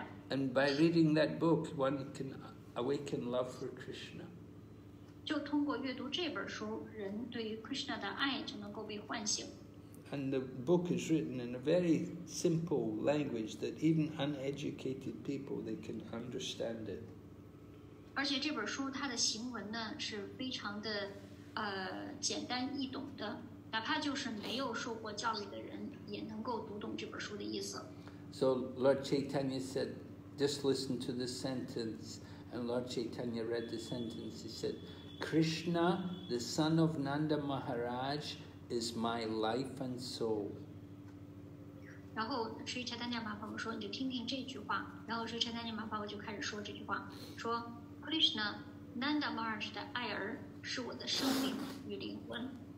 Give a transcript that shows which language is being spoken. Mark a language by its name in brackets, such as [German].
[English] And by reading that book, one can awaken love for Krishna. [Chinese] 就通过阅读这本书，人对于 Krishna 的爱就能够被唤醒。 [English] And the book is written in a very simple language that even uneducated people they can understand it. [Chinese] 而且这本书它的行文呢是非常的简单易懂的，哪怕就是没有受过教育的人也能够读懂这本书的意思。 [English] So Lord Chaitanya said, just listen to this sentence. And Lord Chaitanya read the sentence. He said, Krishna, the son of Nanda Maharaj, is my life and soul. [Chinese] 然后Sri Chaitanya Mahaprabhu说，你就听听这句话。然后Sri Chaitanya Mahaprabhu就开始说这句话，说 Krishna, Nanda Maharaj 的爱儿是我的生命与灵魂。